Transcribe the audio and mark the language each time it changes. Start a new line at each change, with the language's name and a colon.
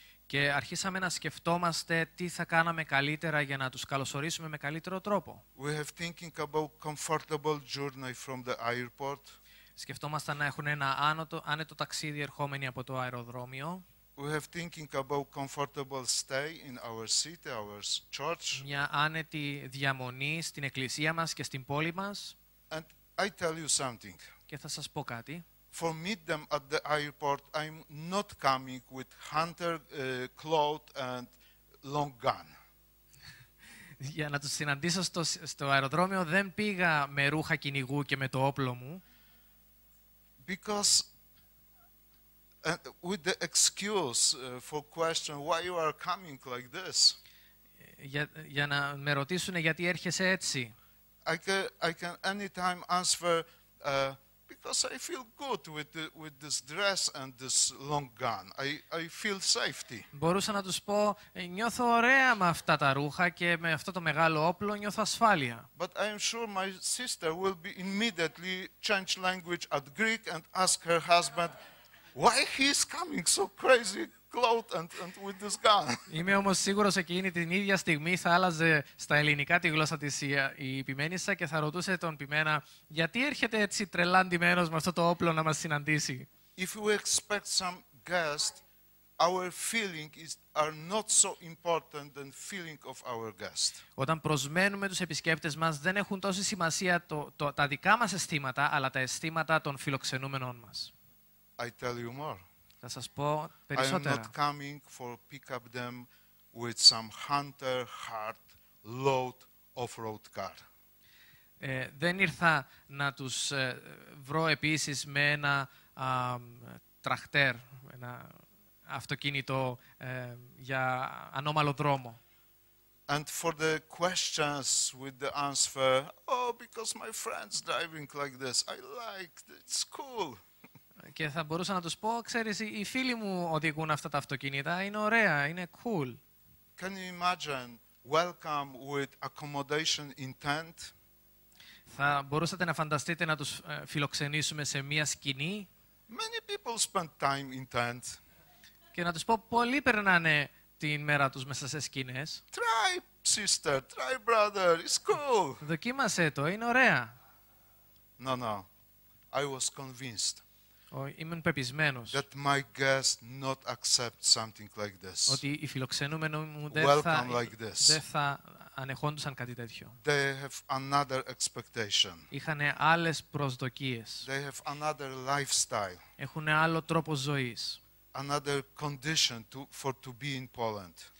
Greek: Και αρχίσαμε να σκεφτόμαστε τι θα κάναμε καλύτερα για να τους καλωσορίσουμε με καλύτερο τρόπο.
English: We have thinking about comfortable journey from the airport.
Greek: Σκεφτόμασταν να έχουν ένα άνετο ταξίδι ερχόμενοι από το αεροδρόμιο.
English: We have thinking about comfortable stay in our city, our church.
Greek: Μια άνετη διαμονή στην εκκλησία μας και στην πόλη μας.
English: And I tell you something.
Greek: Και θα σας πω κάτι.
English: For meet them at the airport, I'm not coming with hunter clothes and long gun.
Greek: Για να τους συναντήσω στο αεροδρόμιο, δεν πήγα με ρούχα κυνηγού και με το όπλο μου.
English: Because with the excuse for question why you are coming like this.
Greek: Για να με ρωτήσουν γιατί έρχεσαι έτσι.
English: I can anytime answer because I feel good with this dress and this long gun. I feel safety.
Greek: Μπορούσα να τους πω νιώθω ωραία με αυτά τα ρούχα και με αυτό το μεγάλο όπλο νιώθω ασφάλεια.
English: But I am sure my sister will be immediately change language at Greek and ask her husband why he is coming so crazy clothed and with this gun.
Greek: Είμαι όμως σίγουρος εκείνη την ίδια στιγμή θα άλλαζε στα ελληνικά τη γλώσσα της η ποιμένισσα και θα ρωτούσε τον ποιμένα γιατί έρχεται έτσι τρελά ντυμένος με αυτό το όπλο να μας συναντήσει.
English: If we expect some guest, our feeling is are not so important than feeling of our guest.
Greek: Όταν προσμένουμε τους επισκέπτες μας δεν έχουν τόση σημασία τα δικά μας αισθήματα αλλά τα αισθήματα των φιλοξενούμενων μας.
English: I tell you more.
Greek: Θα σας πω περισσότερα.
English: I am not coming for pick up them with some hunter hard load of road car.
Greek: Δεν ήρθα να τους βρω επίσης με ένα τρακτέρ, ένα αυτοκίνητο για ανώμαλο δρόμο.
English: And for the questions with the answer, oh, because my friend's driving like this, I like it, it's cool.
Greek: Και θα μπορούσα να τους πω, ξέρεις, οι φίλοι μου οδηγούν αυτά τα αυτοκίνητα, είναι ωραία, είναι cool.
English: Can you imagine welcome with accommodation in tent?
Greek: Θα μπορούσατε να φανταστείτε να τους φιλοξενήσουμε σε μια σκηνή.
English: Many people spend time in tent.
Greek: Και να τους πω, πολλοί περνάνε την μέρα τους μέσα σε σκηνές.
English: Try, sister, try, brother, it's cool.
Greek: Δοκίμασέ το, είναι ωραία.
English: No, no, I was convinced.
Greek: Ήμουν πεπισμένος
English: that my guest not accept something like this.
Greek: Ότι οι φιλοξενούμενοι μου δεν θα ανεχόντουσαν κάτι τέτοιο.
English: They have another expectation.
Greek: Είχανε άλλες προσδοκίες.
English: They have another lifestyle.
Greek: Έχουνε άλλο τρόπο ζωής.
English: Another condition to be in Poland.